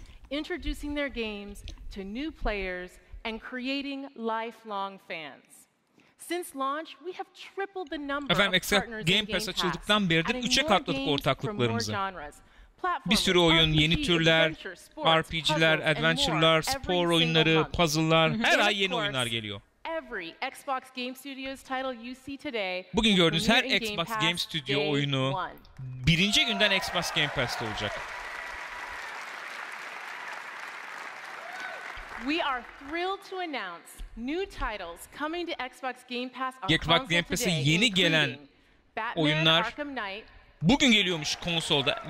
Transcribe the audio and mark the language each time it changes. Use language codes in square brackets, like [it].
[en] Introducing their games to new players and creating lifelong fans. Since launch, we have tripled the number of partners in [tr] Game Pass. Açıldıktan beridir 3'e katladık ortaklıklarımızı. Bir sürü oyun, yeni türler, RPG'ler, adventure'lar, spor oyunları, puzzle'lar, her ay yeni oyunlar geliyor. [en] Every Xbox Game Studios title you see today. [tr] Bugün gördüğünüz her Xbox Game Studio oyunu birinci günden Xbox Game Pass'te olacak. [en] We are thrilled to announce new titles coming to Xbox Game Pass on console today. [tr] Xbox Game Pass'e yeni gelen oyunlar bugün geliyormuş konsolda.